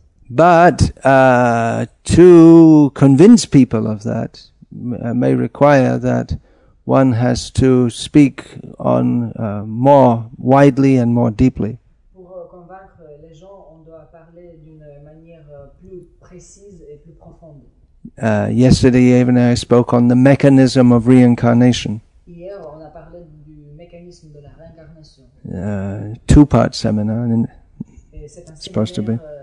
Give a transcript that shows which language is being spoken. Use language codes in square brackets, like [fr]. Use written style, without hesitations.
[en] But to convince people of that may require that one has to speak on more widely and more deeply. [fr] Pour convaincre les gens, on doit parler d'une manière plus précise et plus profonde. [en] Yesterday even I spoke on the mechanism of reincarnation. [fr] Hier, on a parlé du mécanisme de la réincarnation. [en] Two-part seminar, and it's supposed to be.